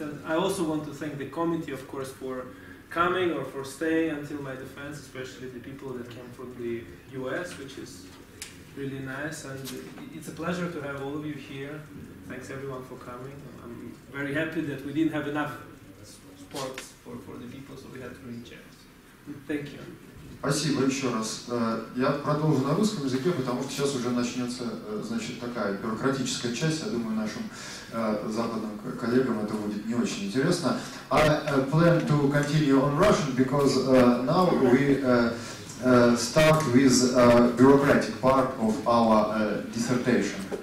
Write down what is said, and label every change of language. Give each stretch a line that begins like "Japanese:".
English: And I also want to thank the committee, of course, for coming or for staying until my defense, especially the people that came from the US, which is really nice. And it's a pleasure to have all of you here. Thanks everyone for coming. I'm very happy that we didn't have enough sports for the people, so we had to reach out. Thank you.
Russian: Спасибо еще раз. Я продолжу на русском языке, потому что сейчас уже начнется, значит, такая бюрократическая часть. Я думаю, нашим западным коллегам это будет не очень интересно.
English: I plan to continue on Russian, because now we start with bureaucratic part of our dissertation.